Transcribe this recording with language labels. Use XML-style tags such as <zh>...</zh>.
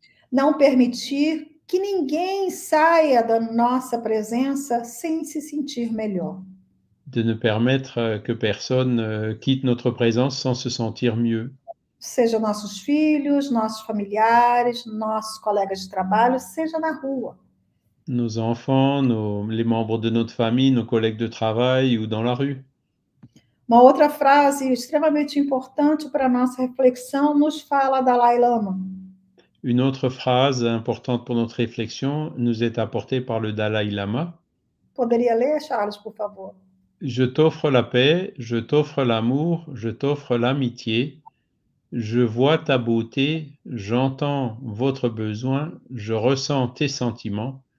<pt>Não permitir que ninguém saia da nossa presença sem se sentir melhor.</pt> <fr>De ne permettre que personne quitte notre présence sans se sentir mieux.</fr> <pt>Seja nossos filhos, nossos familiares, nossos colegas de trabalho, seja na rua.</pt> <fr>Nos enfants, les membres de notre famille, nos collègues de travail ou dans la rue.</fr> <pt>Uma outra frase extremamente importante para a nossa reflexão nos fala Dalai Lama.</pt> <fr>Une autre phrase importante pour notre réflexion nous est apportée par le Dalai Lama.</fr> <pt>Poderia ler, Charles, por favor?</pt> <fr>Je t'offre la paix, je t'offre l'amour, je t'offre l'amitié. Je vois ta beauté, j'entends votre besoin, je ressens tes sentiments.</fr>